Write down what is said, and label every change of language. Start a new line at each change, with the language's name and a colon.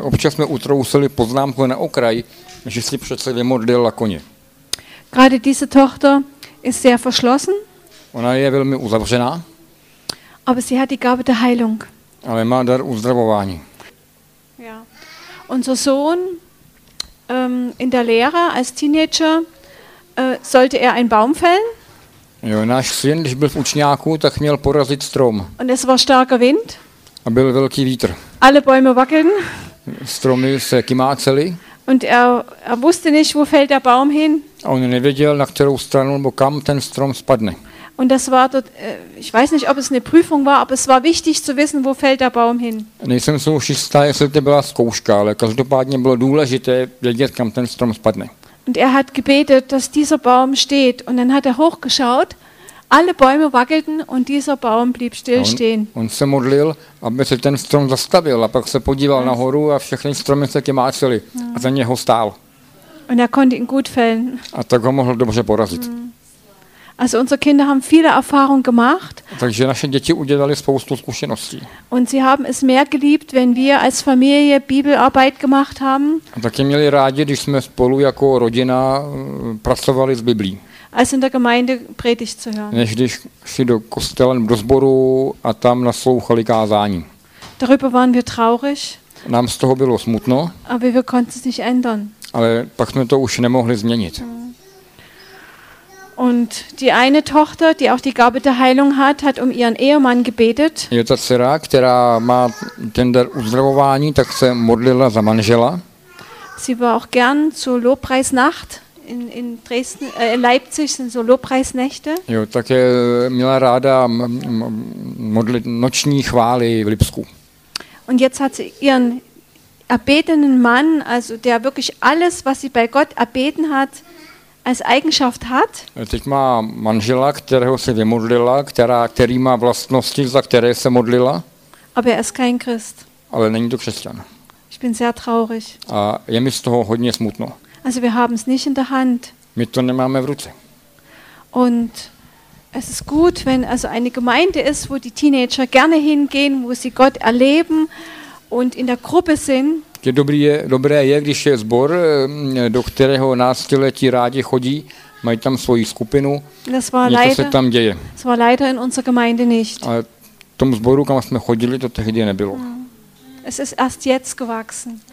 Czech: Občas jsme utrousili poznámku na okraj, že si přece vymodlila koně.
German: Gerade diese Tochter ist sehr verschlossen.
Czech: Ona je velmi uzavřená.
German: Aber sie hat die Gabe der Heilung.
Czech: Ale má dar uzdravování.
German: Ja. Unser Sohn in der Lehre als Teenager sollte er einen Baum fällen.
Czech: Jo, náš syn, když byl v učňáku, tak měl porazit strom.
German: Und es war starker Wind.
Czech: A byl velký vítr.
German: Alle Bäume wackeln.
Czech: Stromy se kymáceli.
German: Und er wusste nicht, wo fällt der Baum hin.
Czech: A on nevěděl, na kterou stranu nebo kam ten strom spadne.
German: Und das war dort, ich weiß nicht, ob es eine Prüfung war, aber es war wichtig zu wissen, wo fällt der Baum hin.
Czech: Nejsem si jistá, jestli to byla zkouška, ale každopádně bylo důležité vědět, kam ten strom spadne.
German: Und er hat gebetet, dass dieser Baum steht. Und dann hat er hochgeschaut, alle Bäume wackelten und dieser Baum blieb still stehen.
Czech: On se modlil, aby se ten strom zastavil, a pak se podíval nahoru a všechny stromy se kymáčely a za něho stál.
German: Und er konnte ihn gut fällen.
Czech: A tak ho mohl dobře porazit.
German: Also unsere Kinder haben viele Erfahrungen gemacht.
Czech: Takže naše děti udělali spoustu zkušeností.
German: Und sie haben es mehr geliebt, wenn wir als Familie Bibelarbeit gemacht haben.
Czech: A taky měli rádi, když jsme spolu jako rodina pracovali s Biblí.
German: Als in der Gemeinde Predigt zu hören.
Czech: Než když šli do kostela do sboru a tam naslouchali kázání.
German: Darüber waren wir traurig.
Czech: Nám z toho bylo smutno.
German: Aber wir konnten es nicht ändern.
Czech: Ale pak jsme to už nemohli změnit.
German: Und die eine Tochter, die auch die Gabe der Heilung hat, hat um ihren Ehemann gebetet.
Czech: Je ta dcera, která má ten dar uzdravování, tak se modlila za manžela.
German: Sie war auch gern zur Lobpreisnacht in Dresden, in Leipzig sind so Lobpreisnächte.
Czech: Jo, tak je, měla ráda modlit noční chvály v Lipsku.
German: Und jetzt hat sie ihren erbetenen Mann, also der wirklich alles, was sie bei Gott erbeten hat, als Eigenschaft hat.
Czech: Teď má manžela, kterého se vymodlila, který má vlastnosti, za které se modlila.
German: Aber er ist kein Christ.
Czech: Ale není to křesťan.
German: Ich bin sehr traurig.
Czech: A je mi z toho hodně smutno.
German: Also wir haben es nicht in der Hand.
Czech: My to nemáme v ruce.
German: Und es ist gut, wenn also eine Gemeinde ist, wo die Teenager gerne hingehen, wo sie Gott erleben und in der Gruppe sind.
Czech: Dobré je, když je sbor, do kterého náctiletí rádi chodí, mají tam svoji skupinu, něco se tam děje.
German: Das war leider in unserer Gemeinde nicht.
Czech: Ale v tom sboru, kam jsme chodili, to tehdy nebylo.
German: Es ist erst jetzt gewachsen.